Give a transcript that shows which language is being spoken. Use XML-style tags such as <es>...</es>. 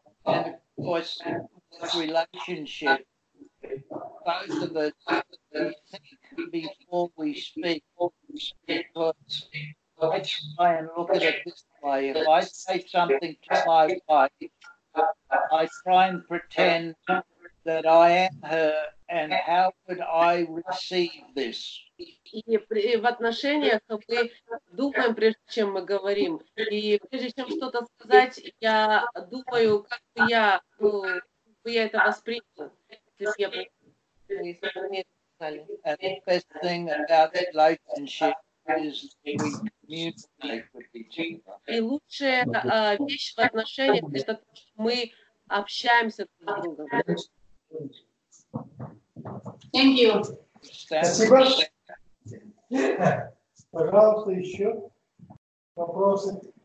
<en>And of course, this relationship, both of us think before we speak, because I try and look at it this way. If I say something to my wife, I try and pretend that I am her and how would I receive this?</en> <ru>И в отношениях мы думаем, прежде чем мы говорим. И прежде чем что-то сказать, я думаю, как бы я, ну, бы я это воспринял, если бы я не сказали.</ru> <en>And the best thing about relationship is we communicate with each other.</en> <ru>И лучшая вещь в отношениях, это то, что мы общаемся друг с другом.</ru> <en>Thank you.</en> <ru>Спасибо. Пожалуйста, еще вопросы.</ru>